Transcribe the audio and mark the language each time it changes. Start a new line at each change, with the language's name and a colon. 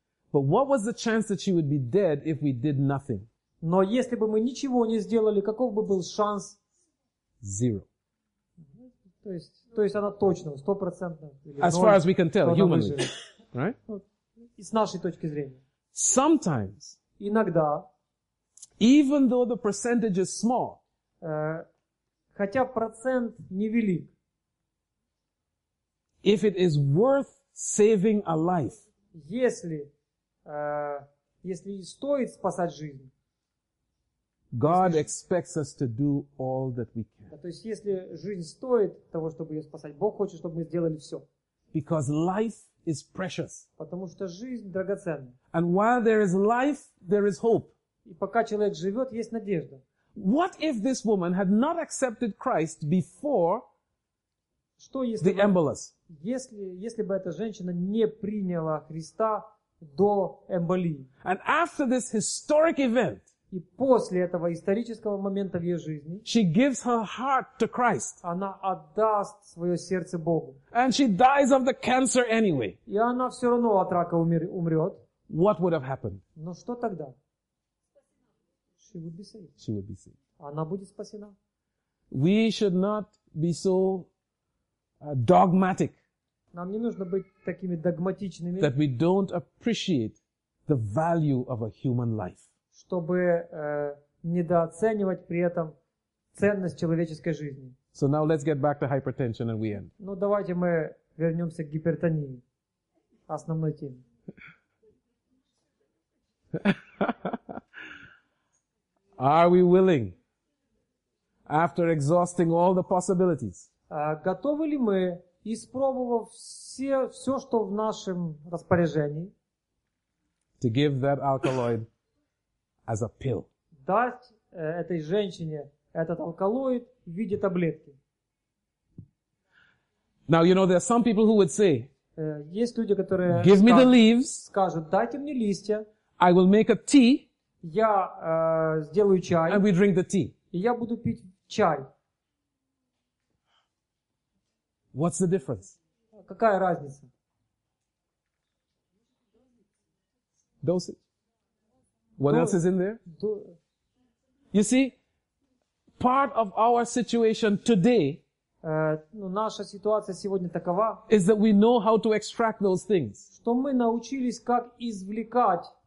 English: But what was the chance that she would be dead if we did nothing?
Russian: Но если бы мы ничего не сделали, каков бы был шанс?
English: Zero.
Russian: То есть она точно, 100%.
English: As far as we can tell, humanly. Right?
Russian: Вот, с нашей точки зрения.
English: Sometimes.
Russian: Иногда.
English: Even though the percentage is small.
Russian: Хотя процент невелик.
English: If it is worth saving a life,
Russian: если стоит спасать жизнь,
English: God expects us to do all that we can.
Russian: То есть, если жизнь стоит того, чтобы ее спасать, Бог хочет, чтобы мы сделали все.
English: Because life is precious.
Russian: Потому что жизнь драгоценна.
English: And while there is life, there is hope.
Russian: И пока человек живет, есть надежда.
English: What if this woman had not accepted Christ before the embolus?
Russian: Если бы эта женщина не приняла Христа до эмболии?
English: And after this historic event,
Russian: и после этого исторического момента в ее жизни,
English: she gives her heart to Christ.
Russian: Она отдаст свое сердце Богу.
English: And she dies of the cancer anyway.
Russian: И она все равно от рака умрет.
English: What would have happened?
Russian: Но что тогда?
English: She would be saved. She would be saved.
Russian: Она будет спасена.
English: we should not be so dogmatic.
Russian: Нам не нужно быть такими догматичными.
English: That we don't appreciate the value of a human life.
Russian: Чтобы недооценивать при этом ценность человеческой жизни.
English: So now let's get back to hypertension and we end.
Russian: Ну давайте мы вернемся к гипертонии, основной теме.
English: Are we willing, after exhausting all the possibilities?
Russian: Готовы ли мы, испробовав все, что в нашем распоряжении,
English: to give that alkaloid as a pill?
Russian: Дать этой женщине этот алкалоид в виде таблетки.
English: Now, you know, there are some people who would say,
Russian: есть люди, которые
English: give me the leaves,
Russian: скажут, дайте мне листья,
English: I will make a tea,
Russian: я сделаю чай,
English: and we drink the tea.
Russian: И я буду пить чай.
English: What's the difference?
Russian: Какая разница?
English: Dosage. What else is in there? You see, part of our situation today
Russian: наша ситуация сегодня такова,
English: is that we know how to extract those things.
Russian: Что мы научились, как извлекать.